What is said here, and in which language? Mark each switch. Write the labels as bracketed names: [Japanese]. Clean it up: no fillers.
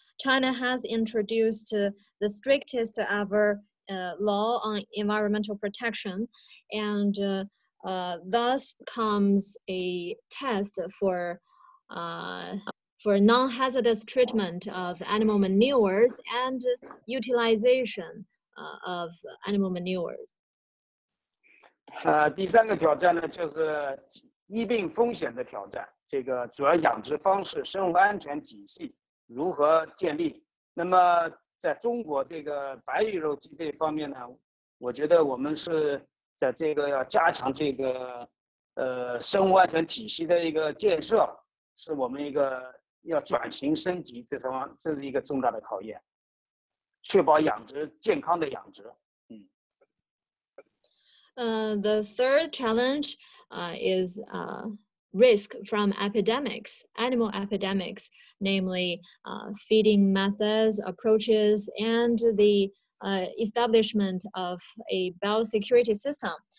[English] China has introduced the strictest ever law on environmental protection, and thus comes a test for non-hazardous treatment of animal manures and utilization of animal manures. [Chinese] 第三个挑战呢，就是疫病风险的挑战。这个主要养殖方式、生物安全体系如何建立？那么在中国这个白羽肉鸡这方面呢，我觉得我们是在这个要加强这个生物安全体系的一个建设，是我们一个要转型升级，这是一个重大的考验，确保养殖健康的养殖。 [English] The third challenge is risk from epidemics, animal epidemics, namely feeding methods, approaches, and the establishment of a biosecurity system.